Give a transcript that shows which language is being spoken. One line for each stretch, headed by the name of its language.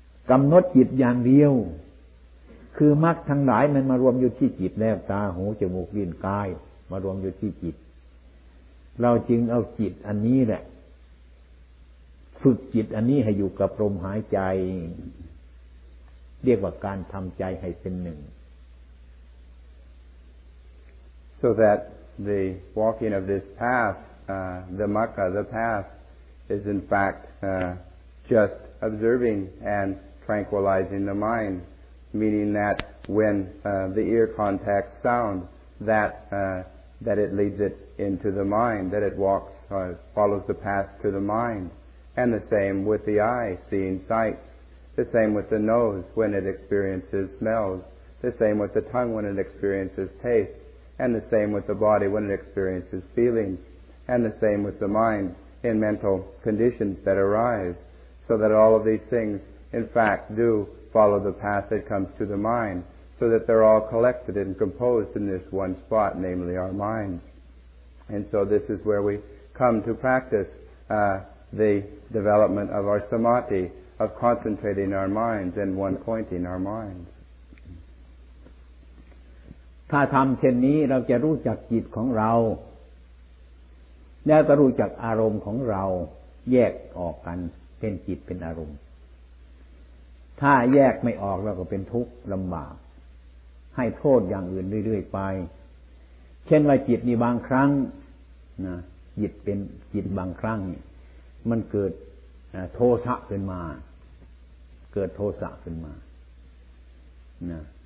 Thai: กำหนดจิตอย่างเดียวคือมรรคทั้งหลายมันมารวมอยู่ที่จิตแล้วตาหูจมูกลิ้นกายมารวมอยู่ที่จิตเราจึงเอาจิตอันนี้แหละฝึกจิตอันนี้ให้อยู่กับลมหายใจเรียกว่าการทำใจให้เป็นหนึ่ง
English: so that the walking of this path the makkha the path is in fact just observing and tranquilizing the mind meaning that when the ear contacts sound that that it leads it into the mind that it walks follows the path to the mindAnd the same with the eye, seeing sights. The same with the nose, when it experiences smells. The same with the tongue, when it experiences taste. And the same with the body, when it experiences feelings. And the same with the mind, in mental conditions that arise. So that all of these things, in fact, do follow the path that comes to the mind. So that they're all collected and composed in this one spot, namely our minds. And so this is where we come to practice, the development of our samadhi, of concentrating our minds and one-pointing our minds.
Thai: ถ้าทำเช่นนี้เราจะรู้จักจิตของเราแล้วก็รู้จักอารมณ์ของเราแยกออกกันเป็นจิตเป็นอารมณ์ถ้าแยกไม่ออกเราก็เป็นทุกข์ลำบากให้โทษอย่างอื่นเรื่อยๆไปเช่นว่าจิตนี่บางครั้งนะจิตเป็นจิตบางครั้งมันเกิดโทสะขึ้นมาเกิดโทสะขึ้นมานะ